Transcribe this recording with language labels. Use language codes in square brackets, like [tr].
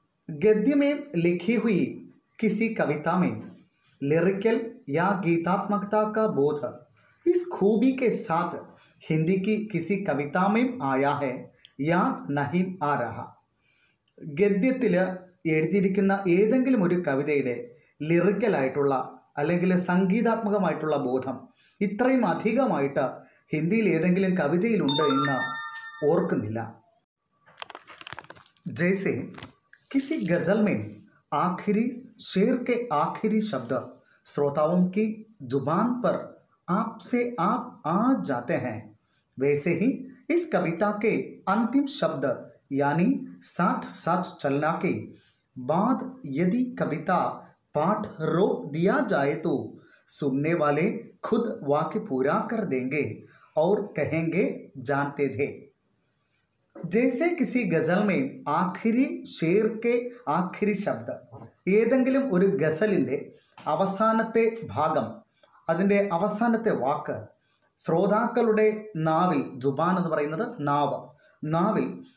[hi] गद्य में लिखी हुई किसी कविता में लिरिकल या गीतात्मकता का बोध इस खूबी के साथ हिंदी की किसी कविता में आया है या नहीं आ रहा. [ml] गद्यത്തിൽ എഴുതിയിരിക്കുന്ന ഏതെങ്കിലും ഒരു കവിതയിലെ ലിറിക്കൽ ആയിട്ടുള്ള അല്ലെങ്കിൽ സംഗീതാത്മകമായിട്ടുള്ള ബോധം ഇത്രയും അധികമായിട്ട് ഹിന്ദിയിൽ ഏതെങ്കിലും കവിതയിലുണ്ട് എന്ന് ഓർക്കുന്നില്ല. [hi] ജൈസെ കിസി ഗസൽ മേ ആഖിരി शेर के आखिरी शब्द श्रोताओं की जुबान पर आप से आप आ जाते हैं, वैसे ही इस कविता के अंतिम शब्द यानी साथ साथ चलना के बाद यदि कविता पाठ रोक दिया जाए तो सुनने वाले खुद वाक्य पूरा कर देंगे और कहेंगे जानते थे. ജേസേ കിസി ഗസൽ മേ ആഖിരി ഷേർ കെ ആഖിരി ശബ്ദ, [ml] ഏതെങ്കിലും ഒരു ഗസലിൻ്റെ അവസാനത്തെ ഭാഗം, അതിൻ്റെ അവസാനത്തെ വാക്ക് ശ്രോതാക്കളുടെ നാവിൽ, ജുബാൻ എന്ന് പറയുന്നത് നാവ്, നാവിൽ